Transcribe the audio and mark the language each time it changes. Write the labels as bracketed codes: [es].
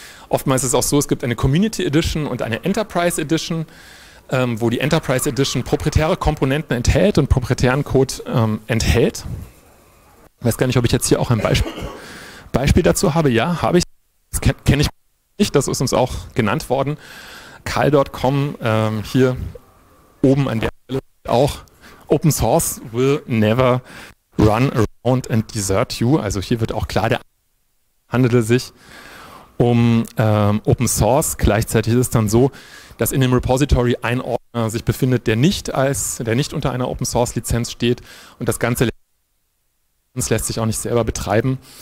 [de] Oftmals ist es auch so, es gibt eine Community Edition und eine Enterprise Edition, wo die Enterprise Edition proprietäre Komponenten enthält und proprietären Code enthält. Ich weiß gar nicht, ob ich jetzt hier auch ein Beispiel dazu habe. Ja, habe ich. Das kenne ich nicht, das ist uns auch genannt worden. Kyle.com, hier oben an der Stelle auch. [en] Open Source will never run around and desert you. [de] Also hier wird auch klar, handelt es sich um Open Source. Gleichzeitig ist es dann so, dass in dem Repository ein Ordner sich befindet, der nicht unter einer Open Source Lizenz steht und das Ganze lässt sich auch nicht selber betreiben.